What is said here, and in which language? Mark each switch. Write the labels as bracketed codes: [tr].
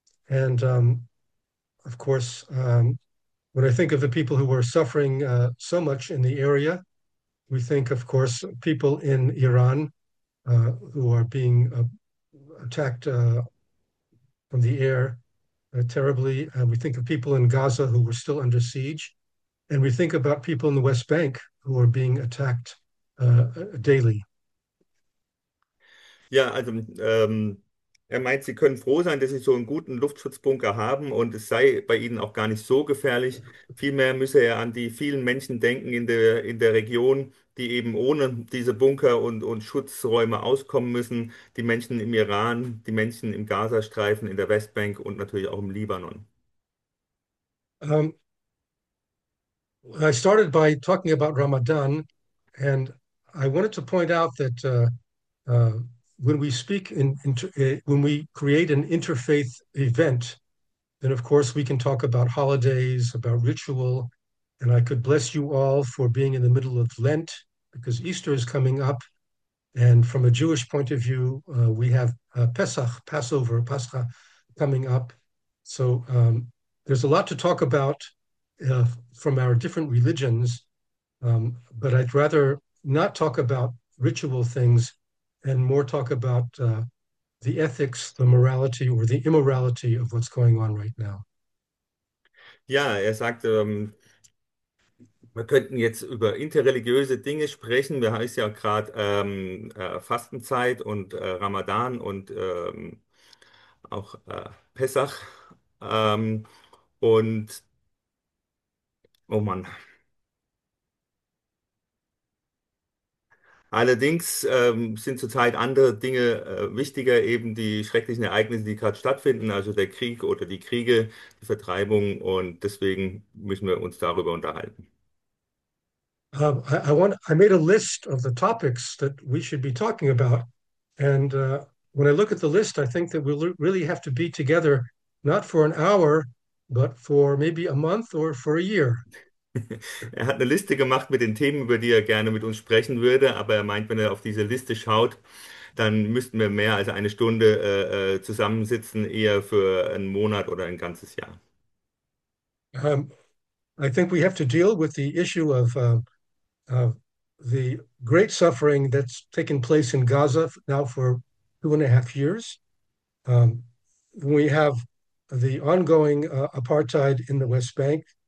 [en] Of course, when I think of the people who are suffering so much in the area, we think, of course, people in Iran who are being attacked from the air terribly. We think of people in Gaza who were still under siege. And we think about people in the West Bank who are being attacked daily. [de] Ja, also er meint, Sie können froh sein, dass Sie so einen guten Luftschutzbunker haben und es sei bei Ihnen auch gar nicht so gefährlich. Vielmehr müsse er an die vielen Menschen denken in der Region, die eben ohne diese Bunker und Schutzräume auskommen müssen. Die Menschen im Iran, die Menschen im Gazastreifen, in der Westbank und natürlich auch im Libanon. [en] I started by talking about Ramadan, and I wanted to point out that when we speak when we create an interfaith event, then of course we can talk about holidays, about ritual, and I could bless you all for being in the middle of Lent because Easter is coming up, and from a Jewish point of view, we have Pesach, Passover, Pascha, coming up, so. There's a lot to talk about from our different religions, but I'd rather not talk about ritual things and more talk about the ethics, the morality, or the immorality of what's going on right now. [de] Ja, er sagt, wir könnten jetzt über interreligiöse Dinge sprechen. Wir haben es ja gerade Fastenzeit und Ramadan und auch Pessach. Oh Mann. Allerdings sind zurzeit andere Dinge wichtiger, eben die schrecklichen Ereignisse, die gerade stattfinden, also der Krieg oder die Kriege, die Vertreibung, und deswegen müssen wir uns darüber unterhalten. [en] I made a list of the topics that we should be talking about. And when I look at the list, I think that we'll really have to be together, not for an hour, but for maybe a month or for a year. [de] Er hat eine Liste gemacht mit den Themen, über die er gerne mit uns sprechen würde, aber er meint, wenn er auf diese Liste schaut, dann müssten wir mehr als eine Stunde zusammensitzen, eher für einen Monat oder ein ganzes Jahr. [en] I think we have to deal with the issue of the great suffering that's taken place in Gaza now for 2.5 years. We have the ongoing apartheid in the West Bank.